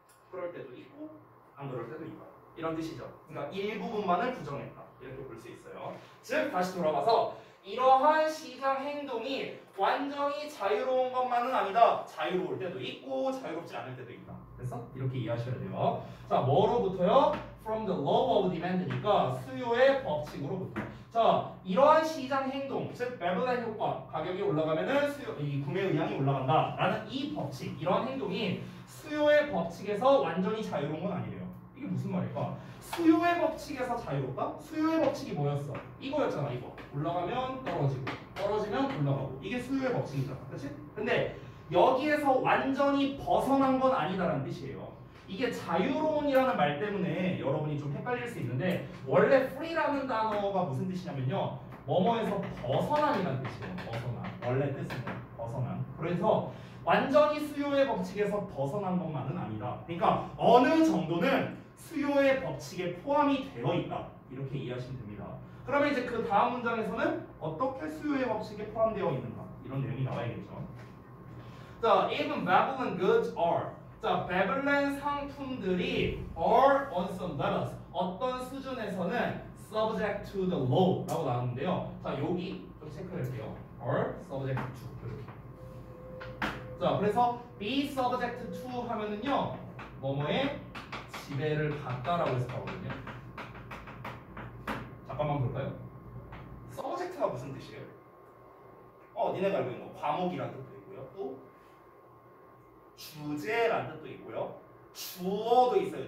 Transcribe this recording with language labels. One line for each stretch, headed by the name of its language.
Korean: 그럴 때도 있고 안 그럴 때도 있고 이런 뜻이죠. 그러니까 일부분만을 부정했다 이렇게 볼 수 있어요. 즉 다시 돌아가서 이러한 시장 행동이 완전히 자유로운 것만은 아니다. 자유로울 때도 있고 자유롭지 않을 때도 있다. 됐어? 이렇게 이해하셔야 돼요. 자, 뭐로부터요?
English: From the law of demand니까
Korean: 수요의 법칙으로부터. 자, 이러한 시장 행동, 즉 매블랙 효과, 가격이 올라가면은 수요, 이 구매 의향이 올라간다 라는 이 법칙, 이러한 행동이 수요의 법칙에서 완전히 자유로운 건 아니래요. 이게 무슨 말일까? 수요의 법칙에서 자유롭다? 수요의 법칙이 뭐였어? 이거였잖아, 이거. 올라가면 떨어지고, 떨어지면 올라가고. 이게 수요의 법칙이잖아, 그렇지? 근데 여기에서 완전히 벗어난 건 아니다라는 뜻이에요. 이게 자유로운이라는 말 때문에 여러분이 좀 헷갈릴 수 있는데, 원래 free라는 단어가 무슨 뜻이냐면요, 뭐뭐에서 벗어난이라는 뜻이에요. 벗어난, 원래 뜻은 벗어난. 그래서 완전히 수요의 법칙에서 벗어난 것만은 아니다. 그러니까 어느 정도는 수요의 법칙에 포함이 되어 있다 이렇게 이해하시면 됩니다. 그러면 이제 그 다음 문장에서는 어떻게 수요의 법칙에 포함되어 있는가 이런 내용이 나와야겠죠.
English: 자, even Babylon goods are. 자,
Korean: 바벨론 상품들이
English: are on some levels,
Korean: 어떤 수준에서는
English: subject to the law
Korean: 라고 나왔는데요. 자, 여기 좀 체크할게요.
English: are subject to 이렇게.
Korean: 자, 그래서
English: be subject to
Korean: 하면은요 뭐뭐에 지배를 받다라고 해서 나오거든요. 잠깐만 볼까요? subject가 무슨 뜻이에요? 니네가 알고 있는 거 과목이라는 뜻도 있고요, 또 주제라는 뜻도 있고요, 주어도 있어요.